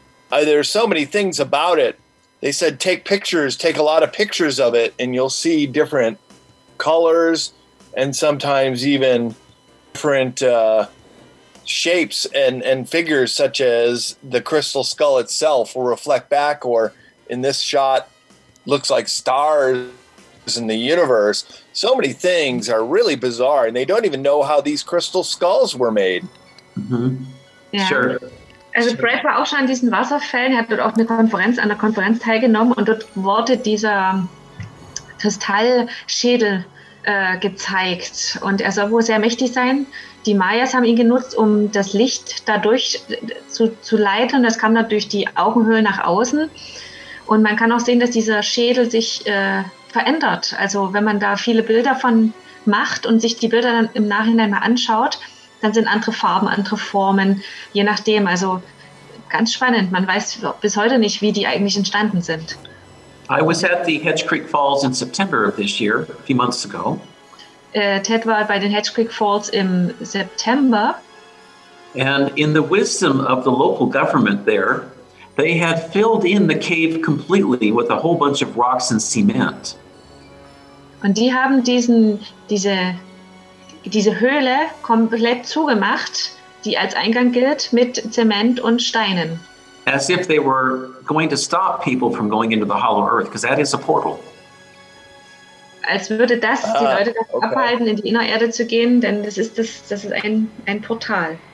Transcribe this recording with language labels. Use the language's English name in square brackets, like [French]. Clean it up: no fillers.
[English] There are so many things about it. They said, take pictures, take a lot of pictures of it, and you'll see different colors and sometimes even different shapes and figures, such as the Crystal Skull itself will reflect back, or in this shot, looks like stars in the universe. So many things are really bizarre, and they don't even know how these crystal skulls were made. Mm-hmm. Yeah. Sure. [German] Also Brad war auch schon an diesen Wasserfällen, er hat dort auch eine Konferenz, an der Konferenz teilgenommen, und dort wurde dieser Kristallschädel gezeigt, und er soll wohl sehr mächtig sein. Die Mayas haben ihn genutzt, um das Licht dadurch zu leiten, und das kam dann durch die Augenhöhle nach außen. Und man kann auch sehen, dass dieser Schädel sich verändert. Also wenn man da viele Bilder von macht und sich die Bilder dann im Nachhinein mal anschaut, dann sind andere Farben, andere Formen, je nachdem. Also ganz spannend. Man weiß bis heute nicht, wie die eigentlich entstanden sind. [English] I was at the Hedge Creek Falls in September of this year, a few months ago. [German] Ted war bei den Hedge Creek Falls im September. [English] And in the wisdom of the local government there, they had filled in the cave completely with a whole bunch of rocks and cement. [German] Und die haben diese Höhle komplett zugemacht, die als Eingang gilt, mit Zement und Steinen. [English] As if they were going to stop people from going into the hollow earth, because that is a portal. [German] Als würde das die Leute davon okay. abhalten, in die Innererde zu gehen, denn das ist ein Portal.